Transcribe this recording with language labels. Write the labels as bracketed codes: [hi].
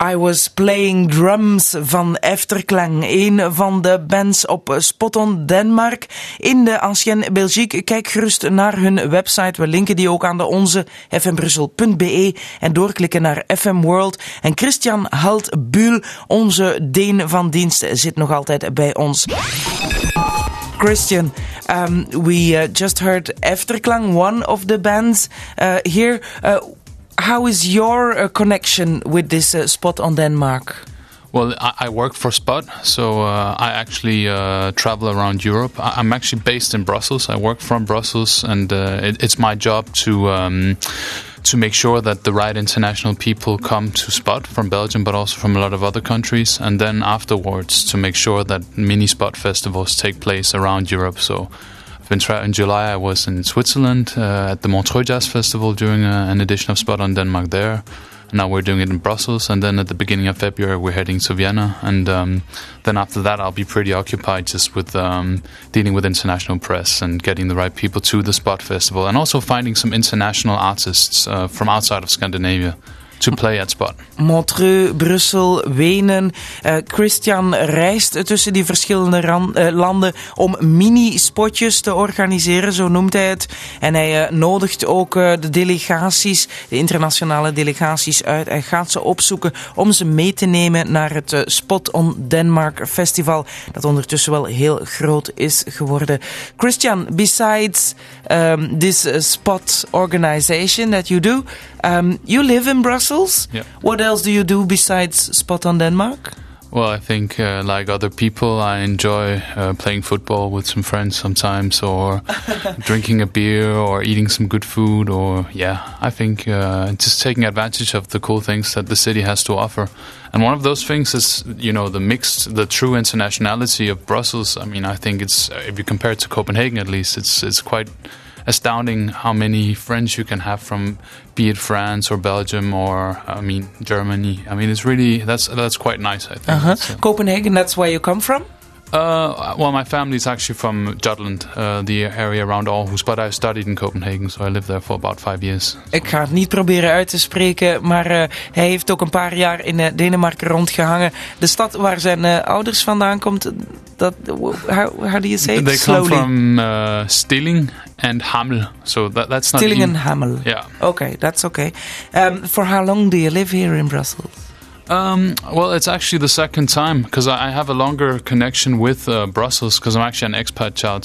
[en] I was playing drums [nl] van Efterklang, een van de bands op Spot on Denmark in de Ancienne Belgique. Kijk gerust naar hun website. We linken die ook aan de onze, fmbrussel.be, en doorklikken naar FM World. En Christian Haltbuhl, onze deen van dienst, zit nog altijd bij ons. [en] Christian, we just heard Efterklang, one of the bands here. How is your connection with this Spot on Denmark? Well, I work for Spot, so I actually travel around Europe. I'm actually based in Brussels. I work from Brussels, and it's my job to make sure that the right international people come to Spot from Belgium, but also from a lot of other countries, and then afterwards to make sure that mini Spot festivals take place around Europe. So in July, I was in Switzerland at the Montreux Jazz Festival doing an edition of Spot on Denmark there. Now we're doing it in Brussels, and then at the beginning of February, we're heading to Vienna. And then after that, I'll be pretty occupied just with dealing with international press and getting the right people to the Spot Festival, and also finding some international artists from outside of Scandinavia to play at Spot. [nl] Montreux, Brussel, Wenen. Christian reist tussen die verschillende landen om mini-spotjes te organiseren, zo noemt hij het. En hij nodigt ook de delegaties, de internationale delegaties uit, en gaat ze opzoeken om ze mee te nemen naar het Spot on Denmark Festival, dat ondertussen wel heel groot is geworden. [en] Christian, besides this Spot organization that you do, you live in Brussels. Yeah. What else do you do besides Spot on Denmark? Well, I think like other people, I enjoy playing football with some friends sometimes, or drinking a beer, or eating some good food, or yeah, I think just taking advantage of the cool things that the city has to offer. And one of those things is, you know, the true internationality of Brussels. I mean, I think it's, if you compare it to Copenhagen at least, it's quite astounding how many friends you can have from, be it France or Belgium or, I mean, Germany. I mean, it's really, that's quite nice, I think. Uh-huh. So. Copenhagen, that's where you come from? Well, my family's actually from Jutland, the area around Aarhus, but I studied in Copenhagen, so I lived there for about 5 years. So. [nl] Ik ga het niet proberen uit te spreken, maar hij heeft ook een paar jaar in Denemarken rondgehangen. De stad waar zijn ouders vandaan komt, [en] how do you say it? They slowly come from Stilling and Hamel, so that's not Stilling and Hamel. Yeah. Okay, that's okay. For how long do you live here in Brussels? Well, it's actually the second time, because I have a longer connection with Brussels, because I'm actually an expat child.